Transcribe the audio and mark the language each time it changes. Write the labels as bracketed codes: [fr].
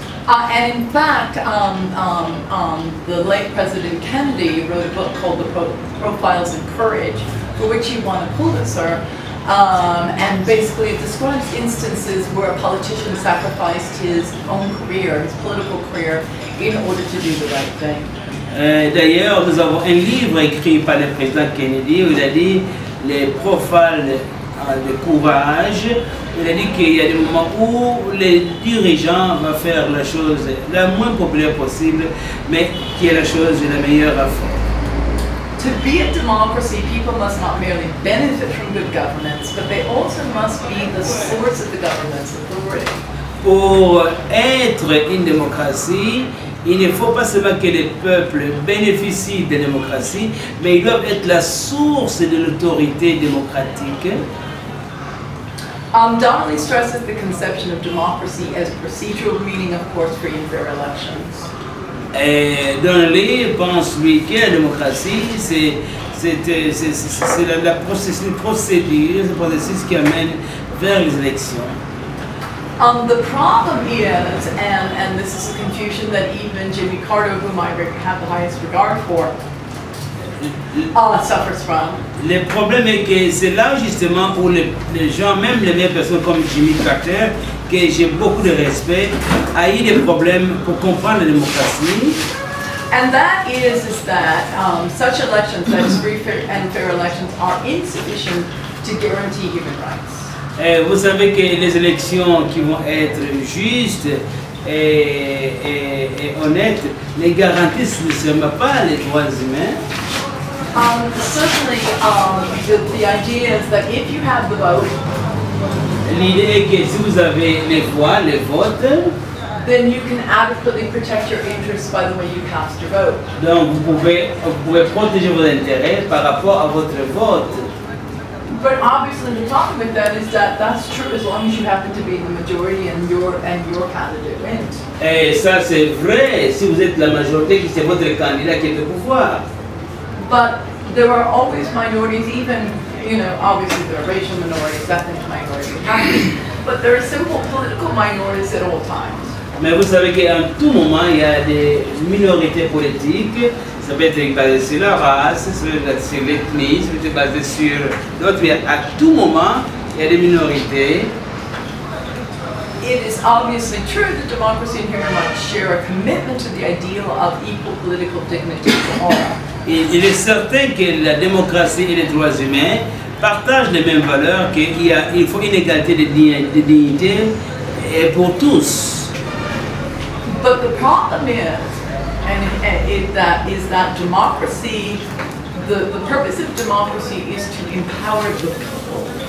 [en] And in fact, the late President Kennedy wrote a book called The Profiles in Courage, for which he won a Pulitzer. And basically it describes instances where a politician sacrificed his own career, his political career, in order to do the right thing. [fr] D'ailleurs, nous avons un livre écrit par le président Kennedy où il a dit les profils de courage. Il a dit qu'il y a des moments où les dirigeants vont faire la chose la moins populaire possible, mais qui est la chose la meilleure à faire. [en] To be a democracy, people must not merely benefit from good governance, but they also must be the source of the government's authority. [fr] Pour être une démocratie, il ne faut pas seulement que les peuples bénéficient de la démocratie, mais ils doivent être la source de l'autorité démocratique. [en] Donnelly stresses the conception of democracy as procedural meaning, of course, for unfair elections. [fr] Donnelly pense, lui, que la démocratie, c'est une procédure, c'est un processus qui amène vers les élections. [en] The problem is, and this is a confusion that even Jimmy Carter, whom I have the highest regard for, suffers from. [fr] Le problème est que c'est là justement où les gens, même les mêmes personnes comme Jimmy Carter, que j'ai beaucoup de respect, a eu des problèmes pour comprendre la démocratie. [en] And that is that such elections, that is free and fair elections, are insufficient to guarantee human rights. [fr] Vous savez que les élections qui vont être justes et honnêtes ne garantissent nécessairement pas les droits humains. [en] The idea is that if you have the vote, [fr] l'idée est que si vous avez les voix, les votes, [en] then you can adequately protect your interests by the way you cast your vote. [fr] Donc vous pouvez protéger vos intérêts par rapport à votre vote. [en] But obviously the problem with that is that that's true as long as you happen to be in the majority and your candidate wins. [fr] Et ça c'est vrai si vous êtes la majorité, que c'est votre candidat qui est au pouvoir. [en] But there are always minorities, even, you know, obviously there are racial minorities, ethnic minorities, but there are simple political minorities at all times. [fr] Mais vous savez qu'en tout moment, il y a des minorités politiques. Ça peut être basé sur la race, ça peut être sur l'ethnie, ça peut être basé sur d'autres. À tout moment, il y a des minorités. [en] It is obviously true that democracy and human rights share a commitment to the ideal of equal political dignity for all. [fr] Il est certain que la démocratie et les droits humains partagent les mêmes valeurs, qu'il faut une égalité de dignité pour tous. [en] But the problem is, is that democracy, the purpose of democracy is to empower the people.